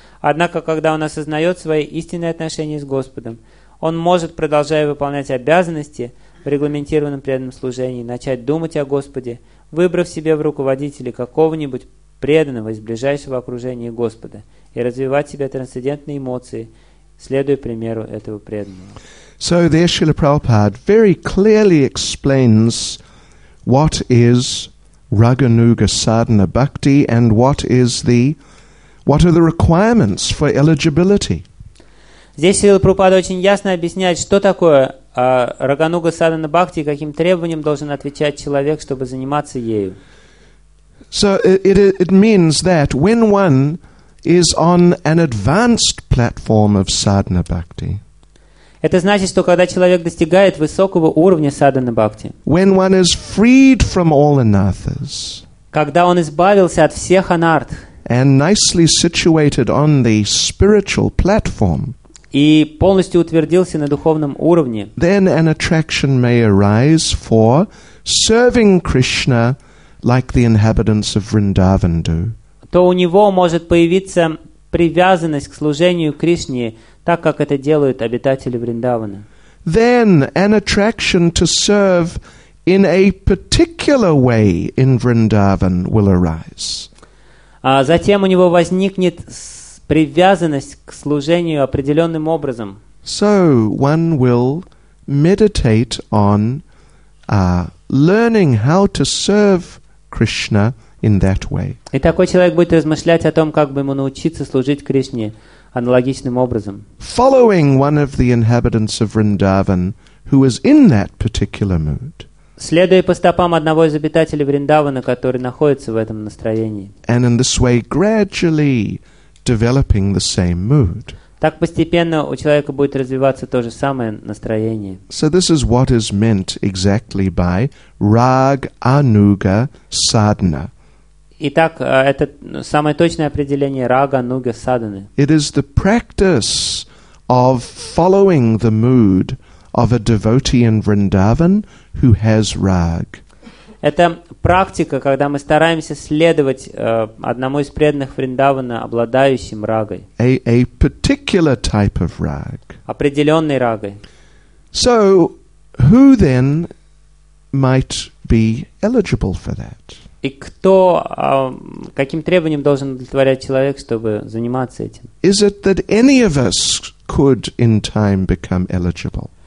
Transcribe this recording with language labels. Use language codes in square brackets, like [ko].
[ru] Однако, когда он осознает свои истинные отношения с Господом, он может, продолжая выполнять обязанности в регламентированном преданном служении, начать думать о Господе, выбрав себе в руководители какого-нибудь преданного из ближайшего окружения Господа и развивать в себе трансцендентные эмоции, следуя примеру этого преданного. [en] So there Srila Prabhupada very clearly explains what is Raganuga Sadhana Bhakti and what are the requirements for eligibility. [ru] Здесь Шрила Прабхупада очень ясно объясняет, что такое Рагануга Садхана Бхакти и каким требованиям должен отвечать человек, чтобы заниматься ею. [en] So it means that when one is on an advanced platform of Sadhana Bhakti, [ru] это значит, что когда человек достигает высокого уровня Садхана Бхакти, [en] when one is freed from all anarthas, [ru] когда он избавился от всех анартх, [en] and nicely situated on the spiritual platform, [ru] и полностью утвердился на духовном уровне, [en] then an attraction may arise for serving Krishna like the inhabitants of Vrindavan do. [ru] То у него может появиться привязанность к служению Кришне, так как это делают обитатели Вриндавана. [en] Then an attraction to serve in a particular way in Vrindavan will arise. [ru] А затем у него возникнет привязанность к служению определенным образом. [en] So one will meditate on learning how to serve Krishna in that way. [ru] И такой человек будет размышлять о том, как бы ему научиться служить Кришне аналогичным образом. [en] Following one of the inhabitants of Vrindavan who is in that particular mood. [ru] Следуя по стопам одного из обитателей Вриндавана, который находится в этом настроении. [en] And in this way gradually developing the same mood. [ru] Так постепенно у человека будет развиваться то же самое настроение. [en] So this is what is meant exactly by rag anuga sadhana. [ru] Итак, это самое точное определение рага нуга садханы. [en] It is the practice of following the mood of a devotee in Vrindavan who has rag. [ru] Это практика, когда мы стараемся следовать одному из преданных Вриндавана, обладающим рагой. [en] A particular type of rag. [ru] Определенной рагой. [en] So, who then might be eligible for that? [ru] И кто, каким требованиям должен удовлетворять человек, чтобы заниматься этим? [en] Is it that any of us could in time become eligible?